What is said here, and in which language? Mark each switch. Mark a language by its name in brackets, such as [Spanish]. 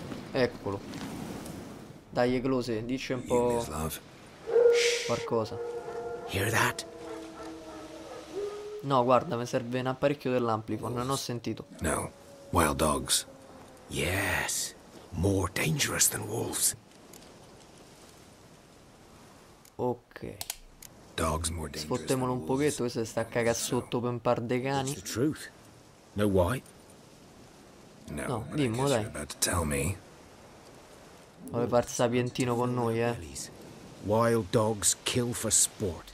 [Italian] Eccolo. Dai, Eglose, dice un po'. Qualcosa. [English] Hear that? [Italian] No, guarda, mi serve un apparecchio dell'amplifon, non ho sentito. [English] No. Wild dogs. Yes. More dangerous than wolves. Ok. Dogs more dangerous. [Italian] Sfottemolo un pochetto, questo sta a cagà sotto per un par dei cani. [English] The truth. No, why? [Italian] No, no, dimmo, dai. [English] About to tell me. [Italian] Vuole far sapientino con noi, [English] Wild dogs kill for sport.